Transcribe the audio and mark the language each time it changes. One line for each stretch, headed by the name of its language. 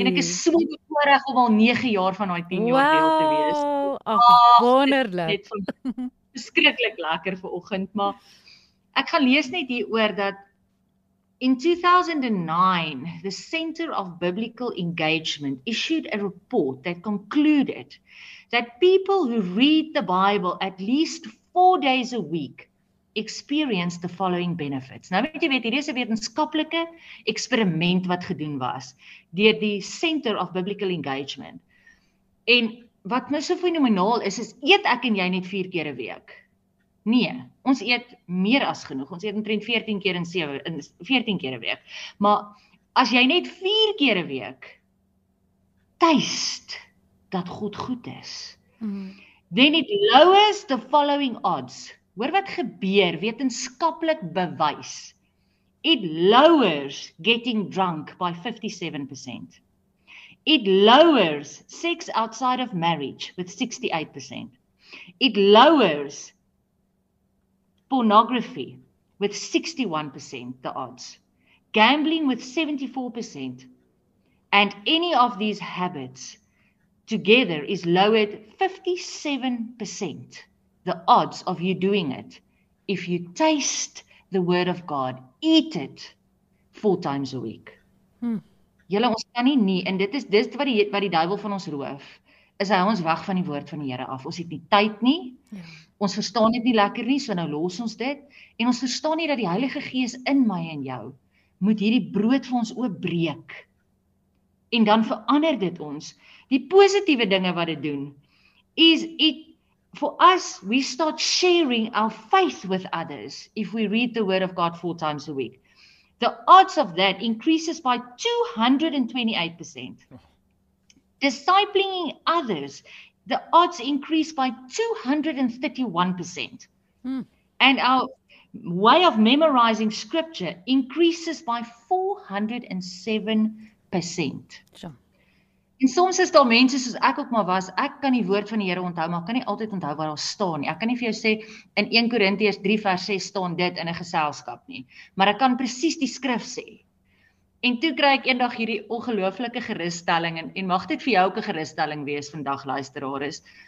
Afrikaans: En ek is so bevoorreg om al 9 jaar van daai 10 jaar wow, deel te wees. Ag, wonderlik. Dit is beskreeklik lekker vanoggend, maar ek gaan lees net hier oor dat
English: in 2009, the Center of Biblical Engagement issued a report that concluded that people who read the Bible at least 4 days a week experience the following benefits.
Afrikaans: Nou weet jy, hier is 'n wetenskaplike eksperiment wat gedoen was deur die Center of Biblical Engagement. En wat nou so fenomenaal is, is eet ek en jy net 4 keer 'n week. Nee, ons eet meer as genoeg. Ons eet omtrent 14 keer in 7 in 14 keer 'n week. Maar as jy net 4 keer 'n week tuist dat God goed is.
English: Then it lowers the following odds.
Afrikaans: Hoor wat gebeur, wetenskaplik bewys.
English: It lowers getting drunk by 57%. It lowers sex outside of marriage with 68%. It lowers pornography with 61% the odds, gambling with 74%, and any of these habits together is lowered 57% the odds of you doing it if you taste the word of God, eat it 4 times a week.
Afrikaans: Julle, ons kan nie nie, en dit is wat die duivel van ons roof, is hy ons weg van die woord van die Here af. Ons het nie tyd nie. Ons verstaan dit nie lekker nie, so nou los ons dit. En ons verstaan nie dat die Heilige Gees in my en jou moet hierdie brood vir ons oopbreek. En dan verander dit ons. Die positiewe dinge wat dit doen, is
English: it for us, we start sharing our faith with others if we read the word of God 4 times a week. The odds of that increases by 228%. Discipling others, the odds increase by 231%. And our way of memorizing scripture increases by 407%. Sure.
Afrikaans: En soms is daar mense soos ek ook maar was, ek kan die woord van die Here onthou, maar ek kan nie altyd onthou wat daar staan nie. Ek kan nie vir jou sê, in 1 Korintiërs 3 vers 6 staan dit in 'n geselskap nie. Maar ek kan presies die skrif sê. En toe kry ek eendag hierdie ongelooflike geruststelling, en mag dit vir jou ook 'n geruststelling wees vandag, luisteraars.